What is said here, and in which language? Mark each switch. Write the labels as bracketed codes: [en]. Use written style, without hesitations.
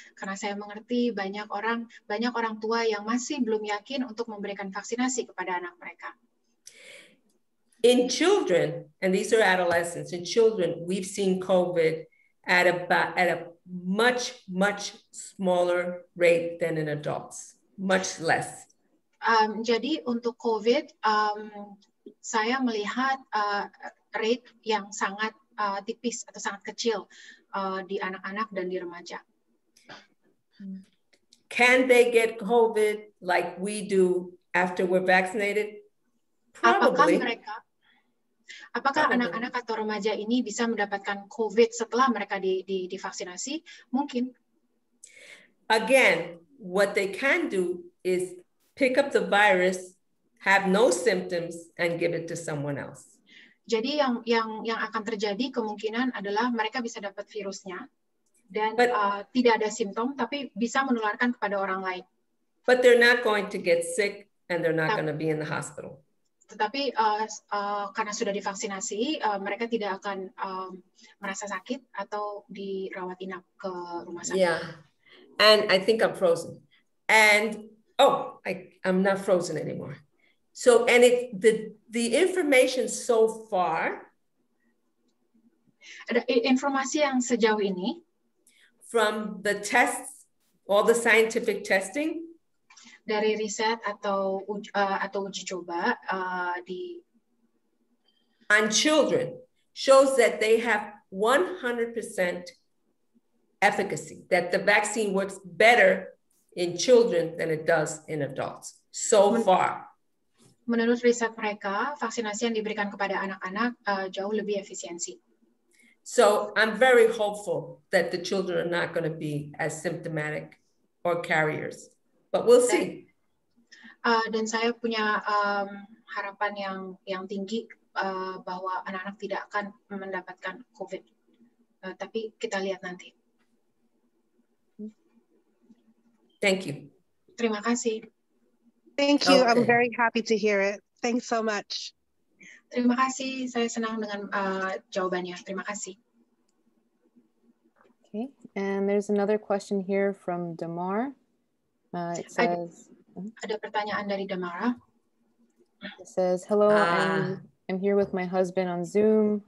[id] Karena saya mengerti banyak orang tua yang masih belum yakin untuk memberikan vaksinasi kepada anak mereka. [en] In children, and these are adolescents, in children, we've seen COVID at a much, much smaller rate than in adults. Much less. [id] Jadi untuk COVID, saya melihat rate yang sangat tipis atau sangat kecil di anak-anak dan di remaja. [en] Can they get COVID like we do after we're vaccinated? Probably. [id] Apakah anak-anak atau remaja ini bisa mendapatkan COVID setelah mereka divaksinasi? Mungkin. [en] Again, what they can do is pick up the virus, have no symptoms and give it to someone else. [id] Jadi yang akan terjadi kemungkinan adalah mereka bisa dapat virusnya dan tidak ada simptom tapi bisa menularkan kepada orang lain. [en] But they're not going to get sick and they're not going to be in the hospital. [id] Tetapi karena sudah divaksinasi, mereka tidak akan merasa sakit atau dirawat inap ke rumah sakit. [en] Yeah. And I think I'm frozen. And oh, I'm not frozen anymore. So and it the information so far. [id] Informasi yang sejauh ini. [en] From the tests, all the scientific testing. [id] Dari riset atau uji coba di. [en] On children shows that they have 100% efficacy. That the vaccine works better in children than it does in adults. So far. [id] Menurut riset mereka, vaksinasi yang diberikan kepada anak-anak jauh lebih efisiensi. [en] So, I'm very hopeful that the children are not going to be as symptomatic or carriers. But we'll see. [id] Dan saya punya harapan yang tinggi bahwa anak-anak tidak akan mendapatkan COVID. Tapi kita lihat nanti. [en] Thank you. [id] Terima kasih. [en] Thank you. Okay. I'm very happy to hear it. Thanks so much. [id] Terima kasih. Saya senang dengan jawabannya. Terima kasih. [en] Okay. And there's another question here from Damar. It says. [id] Ada pertanyaan dari Damara. [en] It says, "Hello, I'm here with my husband on Zoom.